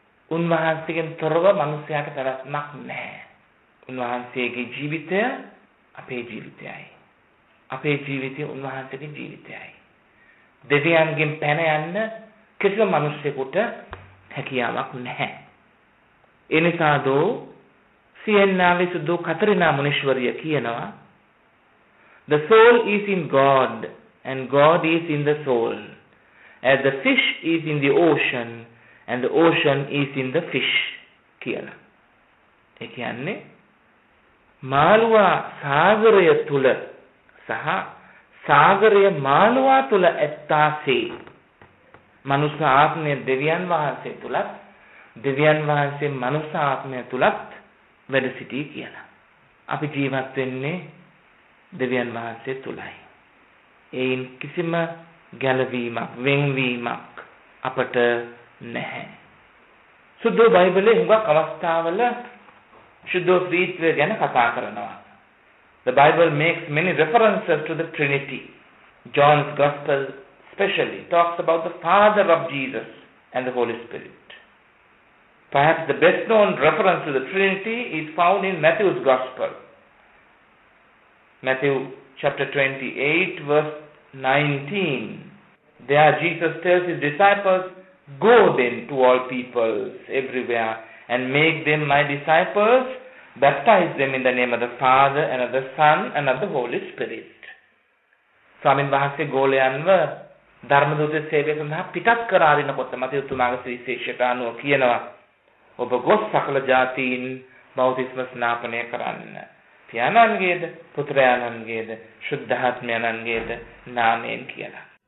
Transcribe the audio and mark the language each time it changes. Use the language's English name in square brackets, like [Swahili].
[Sinhala] උන්වහන්සේගෙන් තොරව මිනිසයාට පැවැත්මක් නැහැ. උන්වහන්සේගේ ජීවිතය අපේ ජීවිතයයි, අපේ ජීවිතය උන්වහන්සේගේ ජීවිතයයි. දෙවියන්ගෙන් පැන යන්න කිසිම මිනිසෙකුට හැකියාවක් නැහැ. එනිසා දෝ සියෙන්නාවේ සුදු කතරිනා මුනිශ්වරිය කියනවා, [English] The soul is in God and God is in the soul, as the fish [Sinhala] is in the ocean and the ocean is in the fish කියලා. ඒ කියන්නේ මාළුවා සාගරය තුල සහ සාගරය මාළුවා තුල ඇත්තාසේ මනුෂ්‍ය ආත්මය දෙවියන් වහන්සේ තුලත්, දෙවියන් වහන්සේ මනුෂ්‍ය ආත්මය තුලත් වැඩ සිටී කියලා. අපි ජීවත් වෙන්නේ දෙවියන් වහන්සේ තුලයි. ඒයින් කිසිම ගැළවීමක්, වෙන්වීමක් අපට නැහැ. සුද්ධ බයිබලයේ හුඟක් අවස්ථාවල ශුද්ධෝත්‍රීත්වය ගැන කතා කරනවා. [English] The Bible makes many references to the Trinity. John's Gospel especially talks about the Father of Jesus and the Holy Spirit. Perhaps the best known reference to the Trinity is found in Matthew's Gospel. Matthew chapter 28 verse 19. There Jesus tells his disciples, Go then to all peoples everywhere and make them my disciples. Baptize them in the name of the Father and of the Son and of the Holy Spirit. [Sinhala] ස්වාමීන් වහන්සේ ගෝලයන්ව ධර්ම දූතේ සේවය සඳහා පිටත් කරා දෙනකොට මතිය තුමාගේ සුවිශේෂයට අනුව කියනවා, ඔබ ගොස් සකල ජාතීන් බෞතිස්ම ස්නාපනය කරන්න. පියාණන්ගේද, පුත්‍රයාණන්ගේද, ශුද්ධාත්මයාණන්ගේද නාමයෙන් කියලා.